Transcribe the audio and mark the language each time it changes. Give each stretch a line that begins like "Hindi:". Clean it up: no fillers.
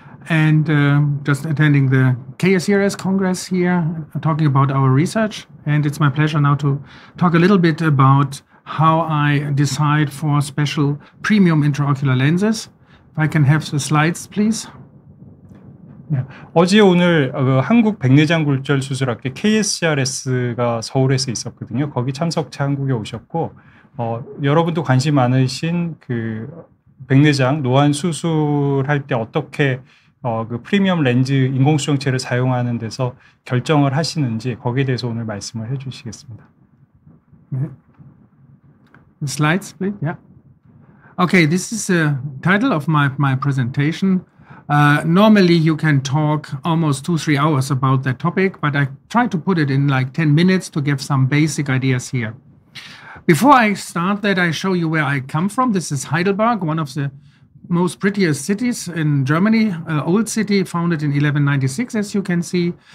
English: And just attending the KSRS Congress here, talking about our research. And it's my pleasure now to talk a little bit about how I decide for special premium intraocular lenses. If I can have the slides, please.
Korean: 네. 어제 오늘 한국 백내장 골절 수술학회 KSRS가 서울에서 있었거든요. 거기 참석차 한국에 오셨고 여러분도 관심 많으신 그 백내장 노안 수술할 때 어떻게 그 프리미엄 렌즈 인공수정체를 사용하는 데서 결정을 하시는지 거기에 대해서 오늘 말씀을 해주시겠습니다. 네.
English: Slides, please. Yeah. Okay, this is the title of my presentation. Normally, you can talk almost 2-3 hours about that topic, but I try to put it in like 10 minutes to give some basic ideas here. Before I start that, I show you where I come from. This is Heidelberg, one of the most prettiest cities in Germany, an old city founded in 1196, as you can see.